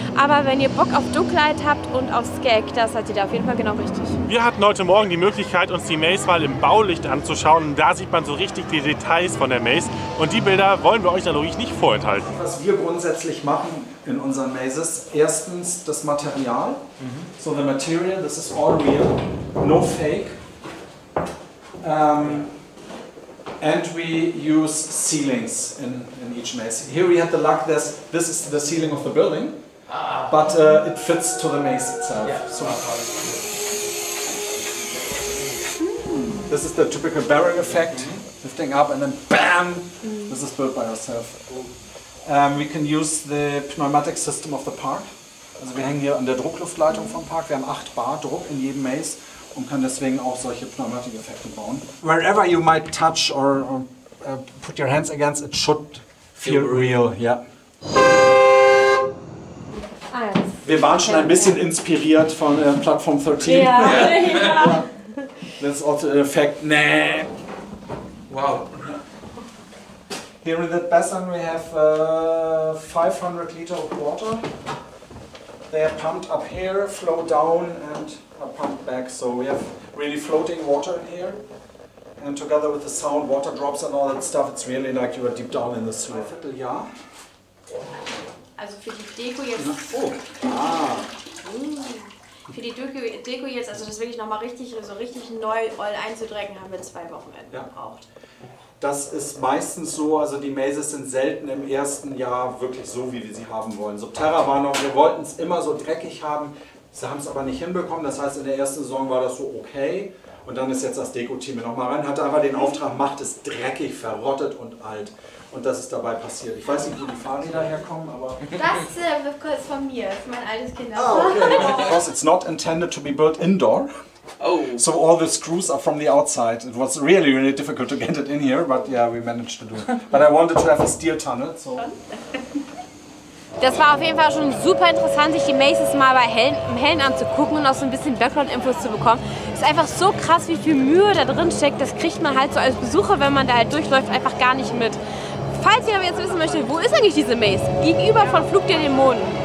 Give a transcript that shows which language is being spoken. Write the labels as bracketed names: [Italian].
[German] Aber wenn ihr Bock auf Dunkelheit habt und auf Skag, das seid ihr da auf jeden Fall genau richtig. Wir hatten heute Morgen die Möglichkeit, uns die Maze mal im Baulicht anzuschauen. Da sieht man so richtig die Details von der Maze. Und die Bilder wollen wir euch dann natürlich nicht vorenthalten. Was wir grundsätzlich machen in unseren Mazes, erstens das Material. [English] So the material, this is all real, no fake. And we use ceilings in each maze. Here we had the luck that this is the ceiling of the building, but it fits to the maze itself. Yeah. So This is the typical barrel effect, lifting up and then bam, this is built by yourself. We can use the pneumatic system of the park. [German] Also wir hängen hier an der Druckluftleitung vom Park. Wir haben 8 bar Druck in jedem Maze. Und kann deswegen auch solche Pneumatik-Effekte bauen. [English] Wherever you might touch or put your hands against, it should feel real. Yeah. [German] Wir waren schon ein bisschen inspiriert von Plattform 13. [English] Yeah. Yeah. This is also an effect. [German] Nee. [English] Wow. Here in the basin we have 500 liter of water. They are pumped up here, flow down and are pumped back, so we have really floating water in here. And together with the sound, water drops and all that stuff, it's really like you are deep down in the sewer. [German] Ja. also für die Deko jetzt. Für die Deko jetzt, also das wirklich nochmal richtig, so richtig neu all einzudrecken, haben wir 2 Wochenenden gebraucht. Das ist meistens so, also die Mazes sind selten im ersten Jahr wirklich so, wie wir sie haben wollen. So Terra war noch, wir wollten es immer so dreckig haben, sie haben es aber nicht hinbekommen. Das heißt, in der ersten Saison war das so okay. Und dann ist jetzt das Deko-Team nochmal rein, hatte aber den Auftrag, macht es dreckig, verrottet und alt. Und das ist dabei passiert. Ich weiß nicht, wo die Fahrräder herkommen, aber... Das ist kurz von mir, das ist mein altes Kinderzimmer. [English] Oh, okay. Because it's not intended to be built indoor. Oh. So all the screws are from the outside. It was really, really difficult to get it in here, but yeah, we managed to do it. But I wanted to have a steel tunnel, so... [German] Das war auf jeden Fall schon super interessant, sich die Maces mal bei Helen anzugucken und auch so ein bisschen Background-Infos zu bekommen. Ist einfach so krass, wie viel Mühe da drin steckt. Das kriegt man halt so als Besucher, wenn man da halt durchläuft, einfach gar nicht mit. Falls ihr aber jetzt wissen möchtet, wo ist eigentlich diese Mace? Gegenüber von Flug der Dämonen.